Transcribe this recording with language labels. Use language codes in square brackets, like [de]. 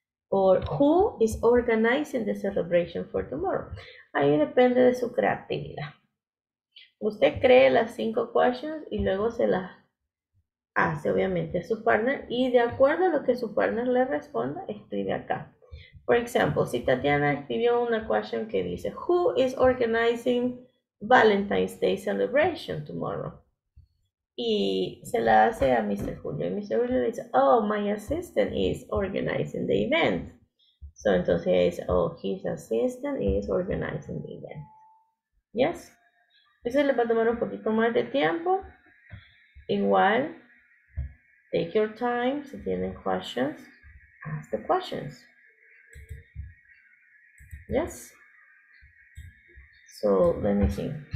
[en] Or who is organizing the celebration for tomorrow? [es] Ahí depende de su creatividad. Usted cree las 5 questions y luego se las hace, obviamente, a su partner. Y de acuerdo a lo que su partner le responda, escribe acá. [en] For example, [es] si Tatiana escribió una question que dice, [en] who is organizing Valentine's Day celebration tomorrow? [es] Y se la hace a Mr. Julio. Y Mr. [en] Julio dice, oh, my assistant is organizing the event. So [es] entonces dice, [en] oh, his assistant is organizing the event. Yes? [es] Eso le va a tomar un poquito más de tiempo. Igual, [en] take your time. [es] Si tienen [en] questions, ask the questions. Yes? So let me see.